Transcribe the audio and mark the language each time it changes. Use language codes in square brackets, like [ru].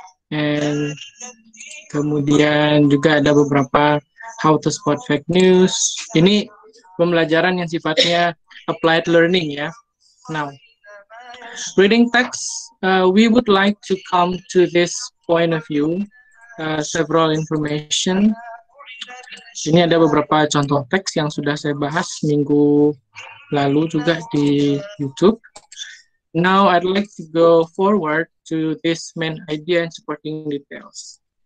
[en] And [id] kemudian juga ada beberapa [en] how to spot fake news. [id] Ini pembelajaran yang sifatnya [en] applied learning [id] ya. [en] Now, reading text, we would like to come to this point of view, several information. [id] Ini ada beberapa contoh teks yang sudah saya bahas minggu lalu juga di YouTube. [en] Now I'd like to go forward to this main idea and supporting details.